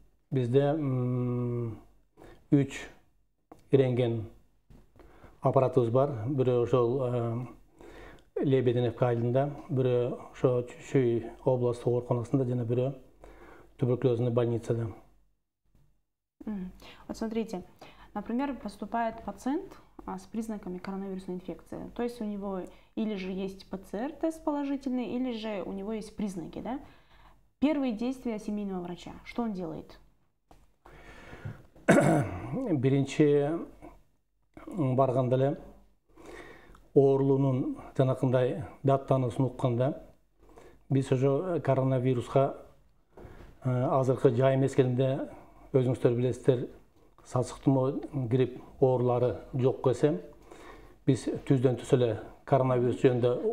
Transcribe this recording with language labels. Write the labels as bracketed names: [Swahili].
[Kyrgyz] Бизде 3 рентген аппаратыбыз бар. Бирөө ошол Лебединов айылында, бирөө ошо Чүй областтык ооруканасында жана бирөө туберкулезная больница, да. [Russian] Вот смотрите, например, поступает пациент с признаками коронавирусной инфекции. То есть у него или же есть ПЦР-тест положительный, или же у него есть признаки, да? Первые действия семейного врача. Что он делает? [Kyrgyz] Биринчи барганда эле оорунун жанакындай даттанысын укканда биз ошо коронавируска азыркы жай мезгилинде өзүңүздөр билесиздер сасык тумоо грипп оорулары жок десем биз түздөн түз эле коронавирус жөнүндө